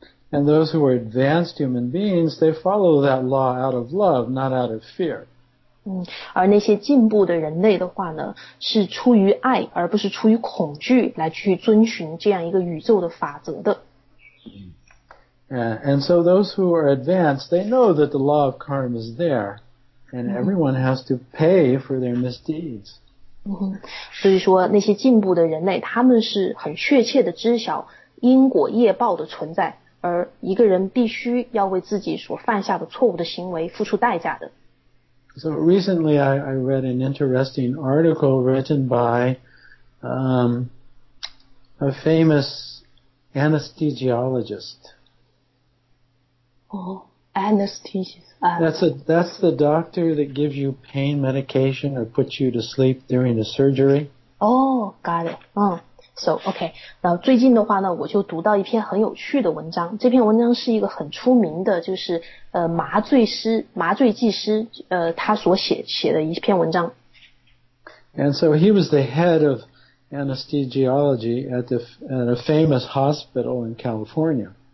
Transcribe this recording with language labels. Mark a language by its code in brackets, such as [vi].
[en] And those who are advanced human beings, they follow that law out of love, not out of fear. [zh] 而那些进步的人类的话呢，是出于爱，而不是出于恐惧来去遵循这样一个宇宙的法则的。 [en] And so those who are advanced, they know that the law of karma is there, and everyone has to pay for their misdeeds. [zh] 所以说那些进步的人类，他们是很确切地知晓因果业报的存在。而一个人必须要为自己所犯下的错误的行为付出代价的。 [en] So recently I read an interesting article written by a famous anesthesiologist. Oh, anesthesiologist. That's the doctor that gives you pain medication or puts you to sleep during the surgery. Oh, got it. So, okay, [zh] 然后最近的话呢，我就读到一篇很有趣的文章。这篇文章是一个很出名的，就是麻醉剂师他所写的一篇文章。 [en] And so he was the head of anesthesiology at a famous hospital in California.